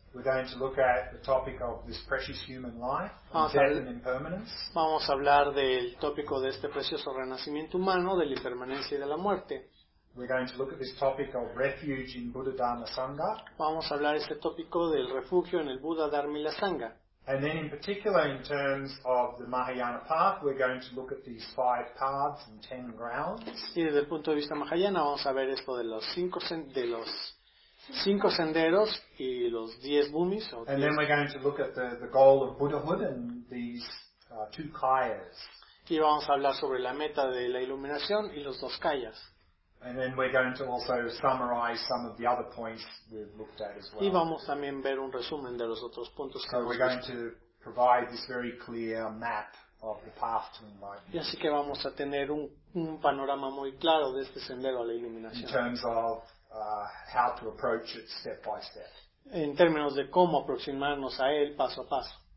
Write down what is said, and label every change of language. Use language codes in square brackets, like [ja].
[en] We're going to look at the topic of this precious human life, death and impermanence. [es] Vamos a hablar del tópico de este precioso renacimiento humano, de la impermanencia y de la muerte. [en] We're going to look at this topic of refuge in Buddha Dharma Sangha. [es] Vamos a hablar este tópico del refugio en el Buda Dharma y la Sangha. [en] And then in particular in terms of the Mahayana path, we're going to look at these five paths and 10 grounds. [es] Y desde el punto de vista Mahayana vamos a ver esto de los cinco senderos y los 10 bhumis. [en] And then we're going to look at the goal of Buddhahood and these two kayas. [es] Y vamos a hablar sobre la meta de la iluminación y los dos kayas. [en] And then we're going to also summarize some of the other points we've looked at as well. [es] Y vamos también ver un resumen de los otros puntos que [en] so we're going to provide this very clear map of the path to enlightenment. [es] Y así que vamos a tener un panorama muy claro de este sendero a la iluminación. [en] In terms of how to approach it step by step. [es] En términos de cómo aproximarnos a él paso a paso.